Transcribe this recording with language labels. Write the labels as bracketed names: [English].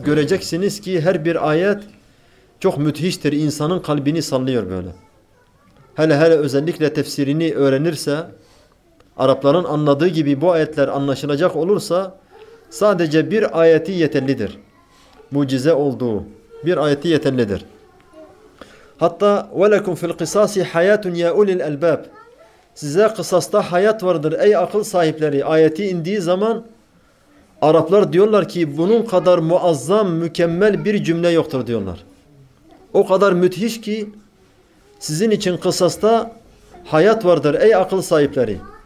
[Turkish] Göreceksiniz ki her bir ayet çok müthiştir. İnsanın kalbini sallıyor böyle. Hele hele özellikle tefsirini öğrenirse, Arapların anladığı gibi bu ayetler anlaşılacak olursa sadece bir ayeti yeterlidir. Mucize olduğu bir ayeti yeterlidir. [Arabic] Hatta وَلَكُمْ فِي الْقِصَاصِ حَيَاتٌ يَا اُولِي الْأَلْبَابِ. [Turkish] Size kısasta hayat vardır ey akıl sahipleri. Ayeti indiği zaman Araplar diyorlar ki bunun kadar muazzam, mükemmel bir cümle yoktur diyorlar. O kadar müthiş ki sizin için kısasta hayat vardır ey akıl sahipleri.